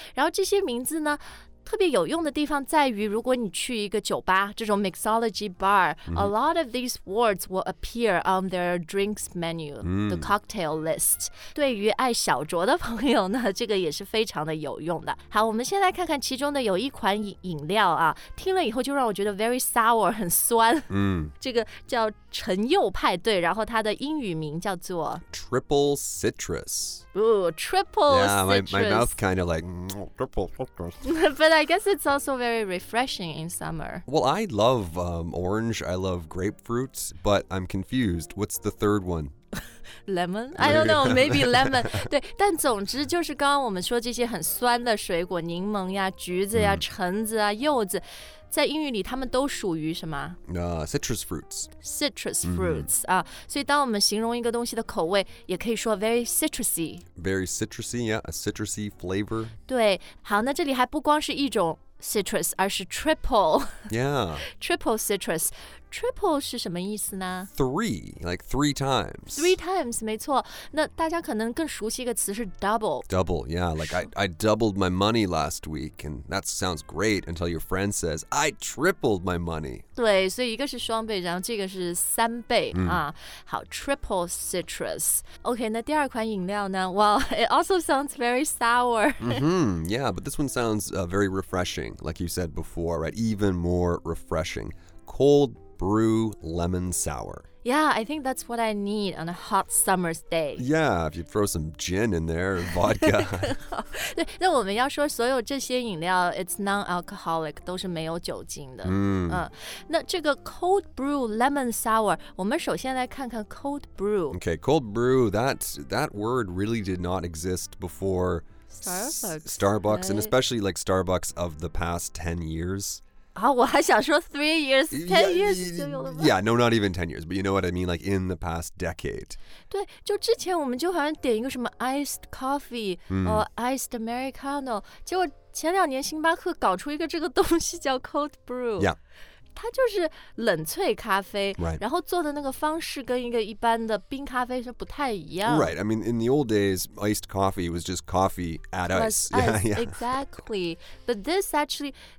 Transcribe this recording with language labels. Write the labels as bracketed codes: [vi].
[zh] 然后这些名字呢，特别有用的地方在于，如果你去一个酒吧，这种 [en] mixology bar,、a lot of these words will appear on their drinks menu,、the cocktail list. [zh] 对于爱小酌的朋友呢，这个也是非常的有用的。好，我们先来看看其中的有一款 饮料啊，听了以后就让我觉得 very sour, 很酸。这个叫陈柚派对，然后它的英语名叫做 [en] Triple Citrus. Ooh, Triple yeah, Citrus. Yeah, my mouth kind of like, Triple Citrus. But I guess it's also very refreshing in summer. Well, I love orange. I love grapefruits, but I'm confused. What's the third one? Lemon? I don't know. Maybe lemon. [zh] 对，但总之就是刚刚我们说这些很酸的水果，柠檬呀、橘子呀、橙子啊、柚子，在英语里它们都属于什么？ [en] Citrus fruits. Citrus fruits. [zh] 所以当我们形容一个东西的口味，也可以说 very citrusy. [en] Very citrusy, yeah. A citrusy flavor. [zh] 对，好，那这里还不光是一种citrus, 而是 triple. [en] Yeah. Triple citrus. [zh] Triple 是什么意思呢？ [en] Three, like three times. Three times, 没错。 [zh] 那大家可能更熟悉一个词是 double. [en] Double, yeah. Like I doubled my money last week, and that sounds great until your friend says, I tripled my money. [zh] 对，所以一个是双倍，然后这个是三倍、好， triple citrus. OK, 那第二款饮料呢？ [en] Well, it also sounds very sour. Yeah, but this one sounds very refreshing. Like you said before, right? Even more refreshing. Cold brew lemon sour. Yeah, I think that's what I need on a hot summer's day. Yeah, if you throw some gin in there, vodka. [zh] 对，那我们要说所有这些饮料 [en] it's non-alcoholic, [zh] 都是没有酒精的。那这个 cold brew lemon sour, 我们首先来看看 cold brew. [en] Okay, cold brew, that word really did not exist beforestarbucks、right. and especially like Starbucks of the past 10 years. [zh] Oh, 我还想说 3 years, 10 years. [en] Yeah, no, not even 10 years, but you know what I mean, like in the past decade. [zh] 对，就之前我们就好像点一个什么 [en] iced coffee or iced Americano, [zh] 结果前两年星巴克搞出一个这个东西叫 cold brew. [en] Yeah. [zh] 它就是冷萃咖啡、 [en] right. [zh] 然后做的那个方式跟一个一般的冰咖啡是不太一样。 [en] Right, I mean, in the old days, iced coffee was just coffee at ice. Yeah, yeah. Exactly. But this actually,